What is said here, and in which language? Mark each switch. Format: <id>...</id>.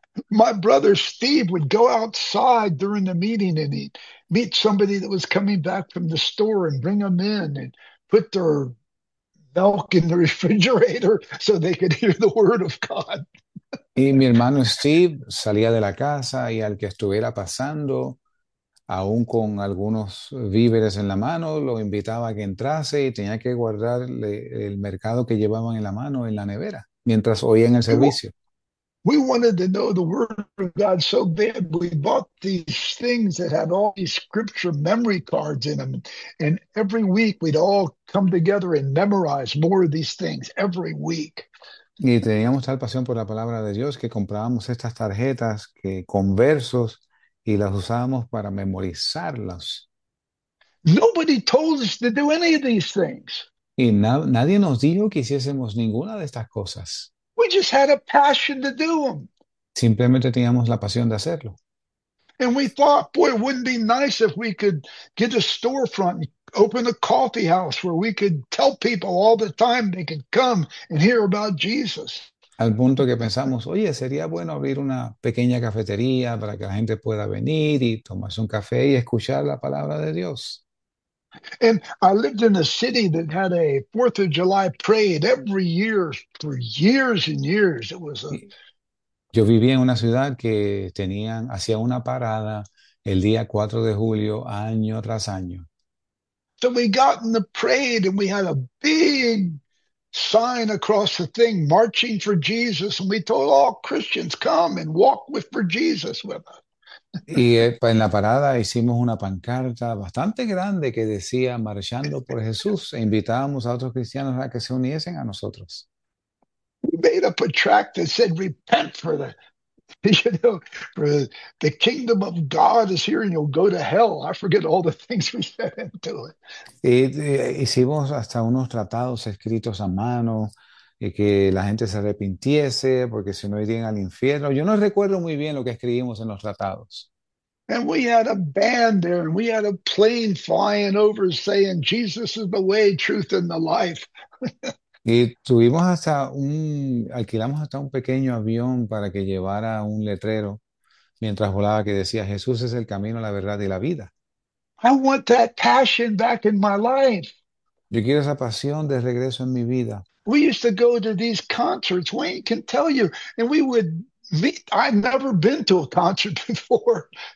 <en>My brother Steve would go outside during the meeting and he'd meet somebody that was coming back from the store and bring them in and put their milk in the refrigerator so they could hear the word of God.</en> <es>Y mi hermano Steve salía de la casa y al que estuviera pasando, aún con algunos víveres en la mano, lo invitaba a que entrase y tenía que guardarle el mercado que llevaban en la mano en la nevera mientras oían el servicio.</es> <en>We wanted to know the word of God so bad, we bought these things that had all these scripture memory cards in them. And every week we'd all come together and memorize more of these things every week.</en> <es>Y teníamos tal pasión por la palabra de Dios que comprábamos estas tarjetas que con versos y las usamos para memorizarlas.</es> <en>Nobody told us to do any of these things.</en> <es>Y nadie nos dijo que hiciésemos ninguna de estas cosas.</es> <en>We just had a passion to do them.</en> <es>Simplemente teníamos la pasión de hacerlo.</es> <en>And we thought, boy, wouldn't it be nice if we could get a storefront and opened a coffee house where we could tell people all the time they could come and hear about Jesus.</en> <es>Al punto que pensamos, oye, sería bueno abrir una pequeña cafetería para que la gente pueda venir y tomarse un café y escuchar la palabra de Dios.</es> <en>And I lived in a city that had a 4th of July parade every year for years and years. It was a</en> <es>Yo vivía en una ciudad que tenían, hacía una parada el día 4 de julio, año tras año.</es> <en>So we got in the parade and we had a big sign across the thing, marching for Jesus, and we told all Christians, come and walk with for Jesus with us.</en> <es>Y en la parada hicimos una pancarta bastante grande que decía Marchando por Jesús e invitábamos a otros cristianos a que se uniesen a nosotros.</es> <en>Made up a tract that said, repent for the kingdom of God is here and you'll go to hell. I forget all the things we said into it.</en> <es>Hicimos hasta unos tratados escritos a mano y que la gente se arrepintiese porque si no irían al infierno. Yo no recuerdo muy bien lo que escribimos en los tratados.</es> <en>And we had a band there and we had a plane flying over saying, Jesus is the way, truth, and the life.</en> <es>Y tuvimos hasta alquilamos hasta un pequeño avión para que llevara un letrero mientras volaba que decía, Jesús es el camino, la verdad y la vida.</es> <en>I want that passion back in my life.</en> <es>Yo quiero esa pasión de regreso en mi vida.</es> <en>We used to go to these concerts, Wayne can tell you, and we would meet. I've never been to a concert before.</en>